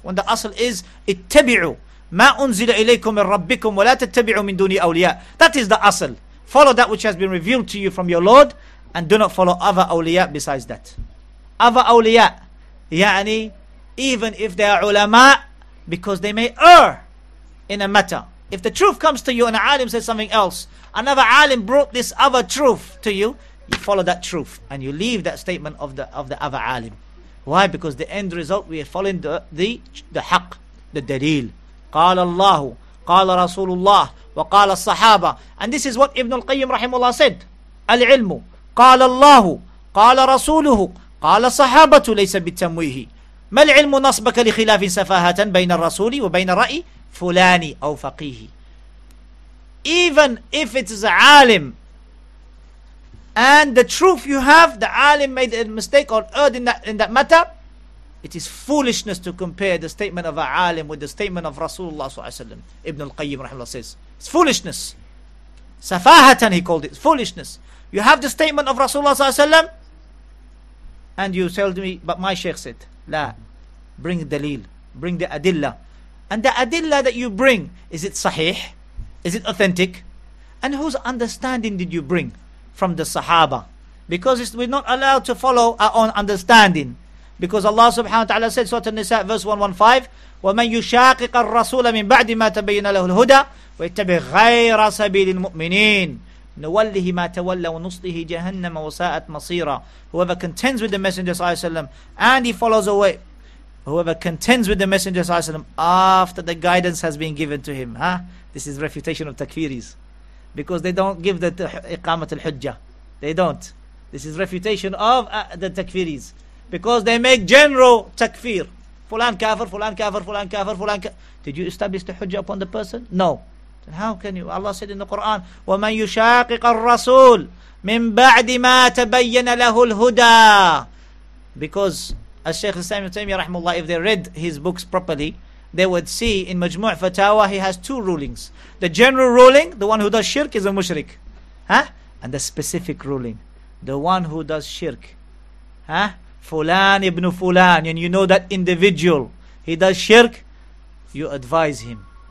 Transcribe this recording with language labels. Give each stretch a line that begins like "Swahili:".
English: When the asl is,
Arabic: اتبعوا ما أنزل إليكم من ربكم ولا تتبعوا من دوني أولياء.
English: That is the asl. Follow that which has been revealed to you from your Lord and do not follow other awliya besides that. Other awliya, يعني, even if they are ulama, because they may err in a matter. If the truth comes to you and an alim says something else, another alim brought this other truth to you, you follow that truth and you leave that statement of the other alim. Why? Because the end result, we are following the haqq, the dalil.
Arabic: قال الله, قال رسول الله, وقال الصحابة.
English: And this is what Ibn al-Qayyim rahimullah said.
Arabic: العلم قال الله, قال رسوله, قال الصحابة ليس بالتمويه. ما العلم نصبك لخلاف سفاهة بين الرسول وبين رأي فلاني أو فقيه.
English: Even if it is a alim and the truth you have, the alim made a mistake or erred in that matter, it is foolishness to compare the statement of a alim with the statement of Rasulullah sallallahu alaihi wasallam. Ibn al-Qayyim rahimahullah says it's foolishness. Safahatan, he called it foolishness. You have the statement of Rasulullah sallallahu alaihi wasallam and you tell me, but my sheikh said, la, bring dalil, bring the adilla. And the adilla that you bring, is it sahih? Is it authentic? And whose understanding did you bring from the sahaba? Because we're not allowed to follow our own understanding. Because Allah subhanahu wa ta'ala said, Surah An-Nisa, verse 115,
Arabic: وَمَنْ يُشَاقِقَ الرَّسُولَ مِنْ بَعْدِ مَا تَبَيِّنَ لَهُ الْهُدَى وَيَتَّبِعْ غَيْرَ سَبِيلِ الْمُؤْمِنِينَ نُوَلِّهِ مَا تَوَلَّى وَنُصْلِهِ جَهَنَّمَ وَسَاءَتْ مَصِيرًا.
English: Whoever contends with the Messenger sallallahu alaihi wasallam and he follows away, whoever contends with the Messenger sallallahu alaihi wasallam after the guidance has been given to him, huh? This is refutation of takfiris, because they don't give the iqamat al-hujjah. They don't. This is refutation of the takfiris, because they make general takfir. Fulan kafir, fulan kafir, fulan kafir, fulan kafir. Did you establish the hujjah upon the person? No. Then how can you? Allah said in the Quran,
Arabic: وَمَنْ يُشَاقِقَ الرَّسُولِ مِنْ بَعْدِ مَا تَبَيَّنَ لَهُ الْهُدَى. Because
English: As Shaykh Ibn Taymiyyah rahimahullah, if they read his books properly, they would see in Majmu' Fatawa he has two rulings. The general ruling, the one who does shirk is a mushrik. Huh? And the specific ruling, the one who does shirk. Huh? Fulan ibn Fulan, and you know that individual, he does shirk, you advise him.